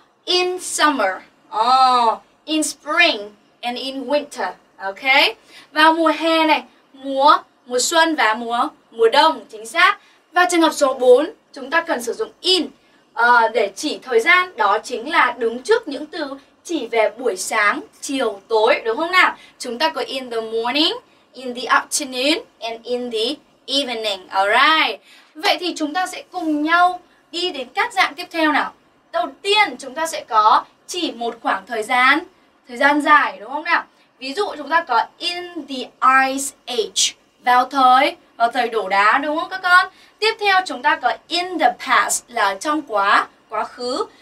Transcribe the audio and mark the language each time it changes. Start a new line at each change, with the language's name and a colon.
English: In summer, in spring, and in winter. Ok?
Vietnamese: Và mùa hè này, mùa xuân và mùa đông, chính xác. Và trường hợp số 4, chúng ta cần sử dụng in để chỉ thời gian. Đó chính là đứng trước những từ chỉ về buổi sáng, chiều, tối, đúng không nào? Chúng ta có
English: in the morning, in the afternoon, and in the evening, alright?
Vietnamese: Vậy thì chúng ta sẽ cùng nhau đi đến các dạng tiếp theo nào. Đầu tiên, chúng ta sẽ có chỉ một khoảng thời gian dài, đúng không nào? Ví dụ, chúng ta có in the ice age, vào thời đổ đá, đúng không các con? Tiếp theo, chúng ta có in the past, là trong quá khứ.